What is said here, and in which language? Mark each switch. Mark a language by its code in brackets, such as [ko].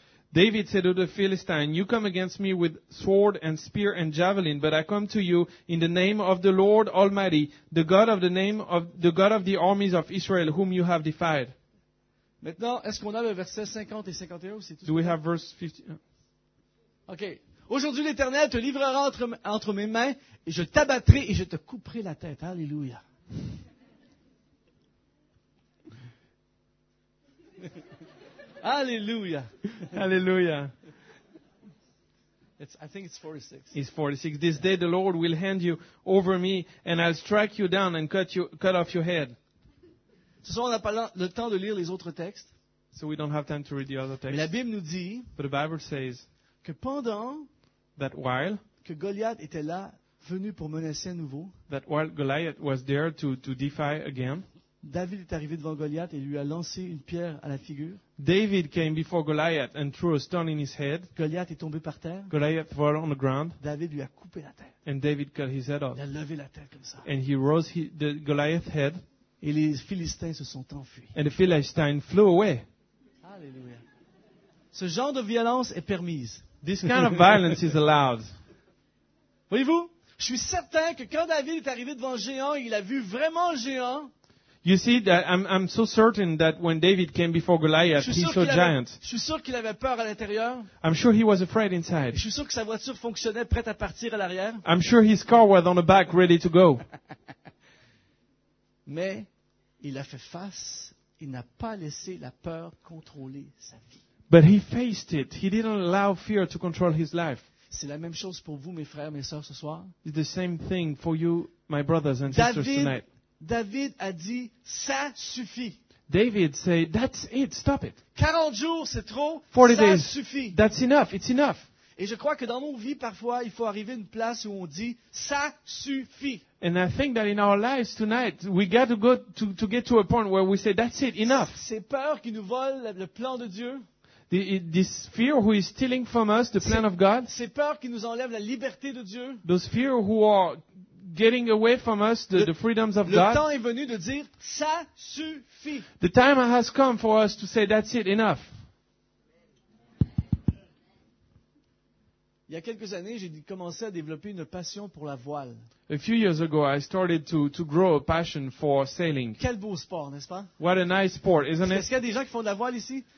[en] David said to the Philistine, you come against me with sword and spear and javelin, but I come to you in the name of the Lord Almighty, the God of the armies of Israel whom you have defied. [fr] Maintenant, est-ce qu'on a le verset 50 et 51 ou c'est tout? [en] Do we have verse 50? Okay. [fr] Aujourd'hui, l'Éternel te livrera entre mes mains, et je t'abattrai et je te couperai la tête. Alléluia. Alléluia. Alléluia. [en] I think it's 46. It's 46. This day the Lord will hand you over me, and I'll strike you down and cut off your head. [fr] Ce soir, on n'a pas le temps de lire les autres textes. [en] So we don't have time to read the other texts. [fr] Mais la Bible nous dit que pendant [en] that while [fr] que Goliath était là, venu pour menacer à nouveau, [en] that while Goliath was there to defy again, [fr] David est arrivé devant Goliath et lui a lancé une pierre à la figure. [en] David came before Goliath and threw a stone in his head. [fr] Goliath est tombé par terre. [en] Goliath fell on the ground. [fr] David lui a coupé la tête. [en] And David cut his head off. [fr] Il a levé la tête comme ça. [en] And he rose the Goliath's head. [fr] Et les Philistins se sont enfuis. [en] And the Philistines flew away. [fr] Alléluia. Ce genre de violence est permise. [en] This kind of violence is allowed. [fr] Voyez-vous, je suis certain que quand David est arrivé devant le géant, il a vu vraiment le géant. [en] You see that I'm so certain that when David came before Goliath, he saw giants. [fr] Je suis sûr qu'il avait peur à l'intérieur. [en] I'm sure he was afraid inside. [fr] Je suis sûr que sa voiture fonctionnait prête à partir à l'arrière. [en] I'm sure his car was on the back ready to go. [fr] Mais il a fait face, il n'a pas laissé la peur contrôler sa vie. [en] But he faced it. He didn't allow fear to control his life. [fr] C'est la même chose pour vous, mes frères, mes sœurs, ce soir. [en] It's the same thing for you, my brothers and sisters David, tonight. [fr] David a dit, ça suffit. [en] David said, that's it, stop it. [fr] 40 jours, c'est trop. [en] 40 days, [fr] suffit. [en] That's enough, it's enough. [fr] Et je crois que dans nos vies, parfois, il faut arriver à une place où on dit, ça suffit. [en] And I think that in our lives tonight, we got to go to get to a point where we say, that's it, enough. [fr] Ces peurs qui nous volent le plan de Dieu. [en] This fear who is stealing from us the plan of God. [fr] Ces peurs qui nous enlèvent la liberté de Dieu. [en] Those fears who are getting away from us the freedoms of God. [fr] Le temps est venu de dire ça suffit. [en] The time has come for us to say that's it, enough. [fr] Il y a quelques années, j'ai commencé à développer une passion pour la voile. [en] A few years ago, I started to grow a passion for sailing. [fr] Quel beau sport, n'est-ce pas? [en] What a nice sport, isn't it? [fr] Est-ce qu'il y a des gens qui font de la voile ici?